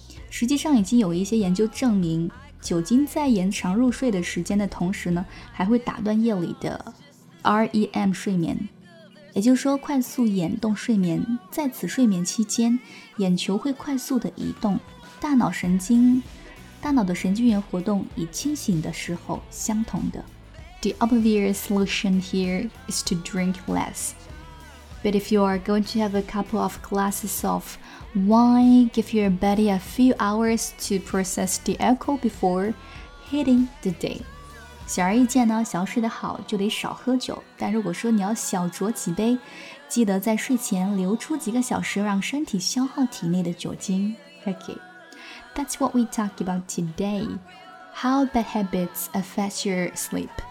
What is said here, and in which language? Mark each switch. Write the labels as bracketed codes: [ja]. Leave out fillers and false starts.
[zh] 实际上已经有一些研究证明，酒精在延长入睡的时间的同时呢，还会打断夜里的 REM 睡眠，也就是说快速眼动睡眠。在此睡眠期间，眼球会快速的移动，大脑的神经元活动以清醒的时候相同的。 [en] The obvious solution here is to drink less. But if you are going to have a couple of glasses of wine, give your body a few hours to process the alcohol before hitting the day. [zh] 显而易见呢，想要睡得好就得少喝酒。但如果说你要小酌几杯，记得在睡前留出几个小时让身体消耗体内的酒精。 [en] Okay, that's what we talk about today. How bad habits affect your sleep?